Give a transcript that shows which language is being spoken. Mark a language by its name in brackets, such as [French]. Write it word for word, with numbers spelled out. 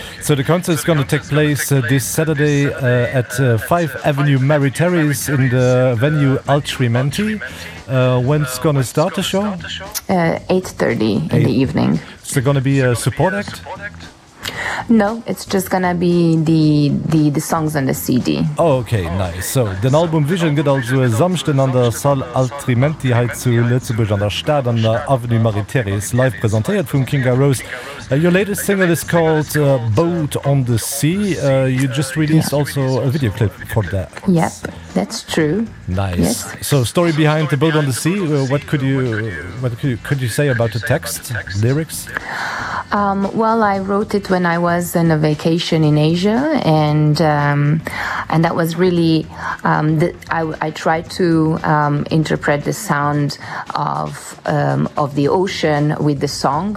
[English] So the concert is going to take place uh, this Saturday uh, at uh, five Avenue Mary Terrace in the venue Altrimenti. Uh, when's going to start the show? Uh, eight thirty in the evening. Is there going to be a support act? No, it's just gonna be the the the songs on the C D. Oh, okay, nice. [Luxembourgish] So, den Album Vision geht also samsten an der Salle Altrimenti halt zu Lützeburg an der Stadt an der Avenue Mary Terrace, live präsentiert von Kinga Rose. [English] Uh, your latest single is called uh, Boat on the Sea. Uh, you just released yeah. also a video clip for that. Yep, that's true. Nice. Yes. So, story behind the Boat on the Sea. Uh, what could you what could you, could you say about the text, lyrics? Um, well, I wrote it when I was on a vacation in Asia, and um, and that was really um, the, I, I tried to um, interpret the sound of um, of the ocean with the song.